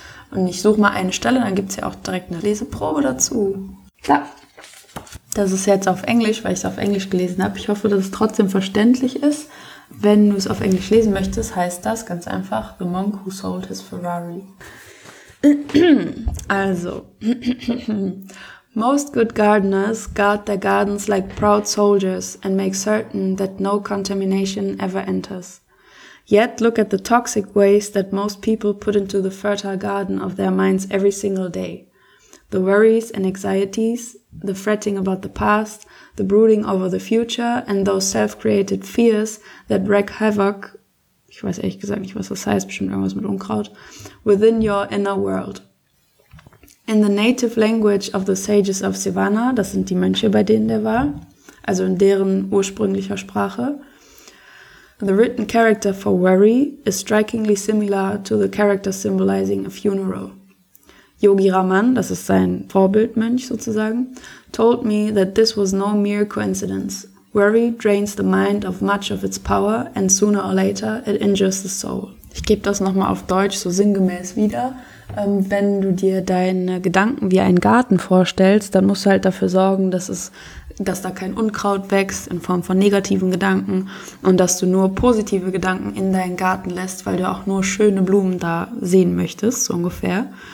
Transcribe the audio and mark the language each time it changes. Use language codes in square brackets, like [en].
[de] Und ich suche mal eine Stelle, dann gibt es ja auch direkt eine Leseprobe dazu. Klar. Das ist jetzt auf Englisch, weil ich es auf Englisch gelesen habe. Ich hoffe, dass es trotzdem verständlich ist. Wenn du es auf Englisch lesen möchtest, heißt das ganz einfach The Monk Who Sold His Ferrari. [en] Also, most good gardeners guard their gardens like proud soldiers and make certain that no contamination ever enters. Yet look at the toxic waste that most people put into the fertile garden of their minds every single day. The worries and anxieties, the fretting about the past, the brooding over the future, and those self-created fears that wreak havoc, [de] ich weiß ehrlich gesagt nicht, was das heißt, bestimmt irgendwas mit Unkraut, [en] within your inner world. In the native language of the sages of Sivana, [de] das sind die Mönche, bei denen der war, also in deren ursprünglicher Sprache, [en] the written character for worry is strikingly similar to the character symbolizing a funeral. Yogi Raman, [de] das ist sein Vorbildmönch sozusagen, [en] told me that this was no mere coincidence. Worry drains the mind of much of its power and sooner or later it injures the soul. [de] Ich gebe das nochmal auf Deutsch so sinngemäß wieder. Wenn du dir deine Gedanken wie einen Garten vorstellst, dann musst du halt dafür sorgen, dass da kein Unkraut wächst in Form von negativen Gedanken und dass du nur positive Gedanken in deinen Garten lässt, weil du auch nur schöne Blumen da sehen möchtest, so ungefähr.